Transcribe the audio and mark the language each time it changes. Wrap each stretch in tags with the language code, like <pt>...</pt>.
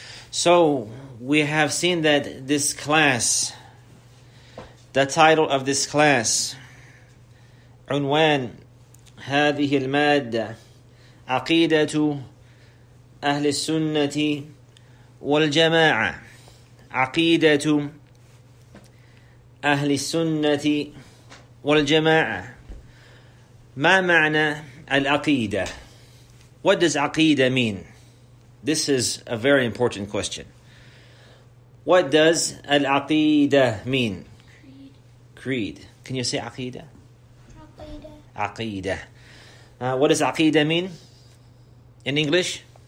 <en>So we have seen that this class, the title of this class,</en> <ar>عنوان هذه المادة عقيدة أهل السنة والجماعة،</ar> <en>عقيدة أهل السنة والجماعة.</en> <ar>ما معنى العقيدة؟</ar> <en>What does عقيدة mean? This is a very important question. What does العقيدة mean? Creed. Can you say عقيدة?</en> <ar>عقيدة.</ar> <en>What does عقيدة mean in English?</en>